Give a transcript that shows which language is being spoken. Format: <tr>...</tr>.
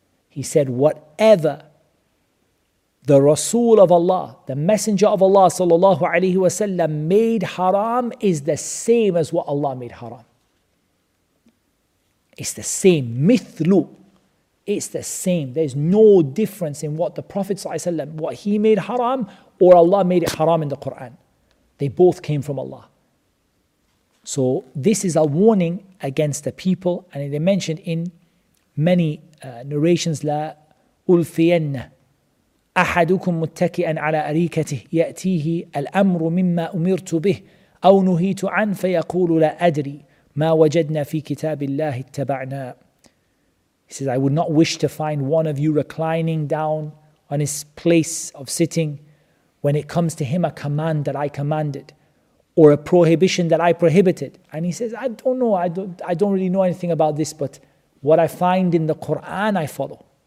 <en>He said, whatever the Rasul of Allah, the Messenger of Allah sallallahu alayhi wa sallam made haram is the same as what Allah made haram. It's the same. Mithlu. It's the same. There's no difference in what the Prophet sallallahu alayhi wa sallam, what he made haram or Allah made it haram in the Quran. They both came from Allah. So this is a warning against the people, and they mentioned in many narrations,</en> <ar>la ulfiyanna أحدكم متكئاً على أريكته يأتيه الأمر مما أمرت به أو نهيت عنه فيقول لا أدري ما وجدنا في كتاب الله اتبعنا.</ar> <en>He says, I would not wish to find one of you reclining down on his place of sitting when it comes to him a command that I commanded or a prohibition that I prohibited. And he says, I don't really know anything about this, but what I find in the Quran I follow.</en>